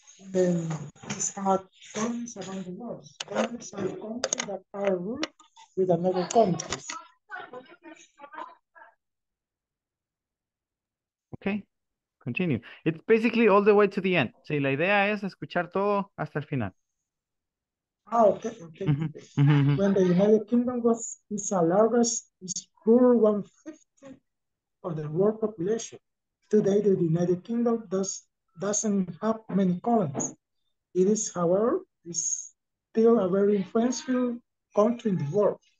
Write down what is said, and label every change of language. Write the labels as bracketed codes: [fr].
[en] Then it's had colonies around the world. Colonies are countries that are ruled with another country. Okay. Continue. It's basically all the way to the end. [es] So la idea es escuchar todo hasta el final. [en] Okay. Mm-hmm. When the United Kingdom was its largest, it ruled 1/5 of the world population. Today, the United Kingdom doesn't have many colonies. It is, however, is still a very influential country in the world.